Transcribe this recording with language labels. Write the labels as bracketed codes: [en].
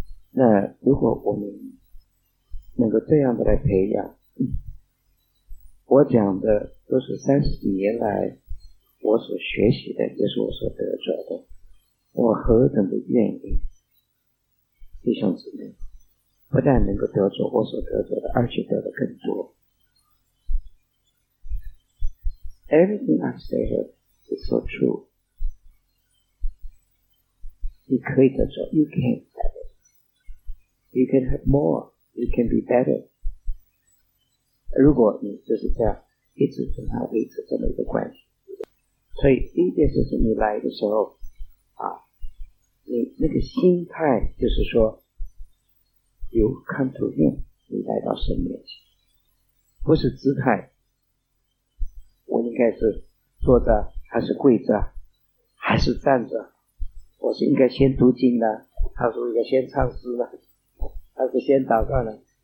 [zh] 那如果我们能够这样的来培养，我讲的都是30几年来我所学习的，也是我所得着的，我何等的愿意弟兄姊妹不但能够得着我所得着的，而且得的更多。 [en] Everything I've said is so true。 [zh] 你可以得着， [en] You can have it， You can have more， it can be better. [zh] 如果你就是这样一直跟他维持这么一个关系，所以第一件事是你来的时候啊，你那个心态就是说 [en] you come to him， [zh] 你来到神面前，不是姿态，我应该是坐着还是跪着还是站着，我是应该先读经呢还是应该先唱诗呢还是先祷告呢？